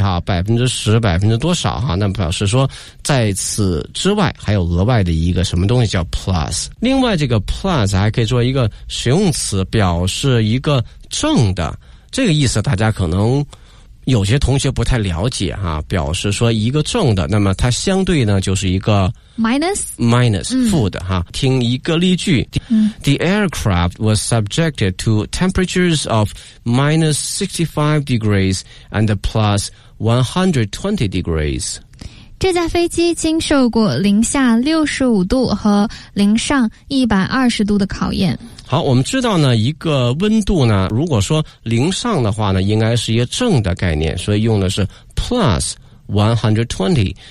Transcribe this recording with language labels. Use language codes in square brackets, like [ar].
[zh] 哈，10%百分之多少哈，那表示说在此之外还有额外的一个什么东西叫 plus。另外这个 plus 还可以做一个使用词，表示一个正的，这个意思大家可能有些同学不太了解哈，表示说一个正的，那么它相对呢就是一个 [en] minus [zh] 负的哈。听一个例句 [en] The aircraft was subjected to temperatures of -65° and +120°。 [zh] 这架飞机经受过-65° 和-120° 的考验。好，我们知道呢，一个温度呢，如果说零上的话呢，应该是一个正的概念，所以用的是 plus 120。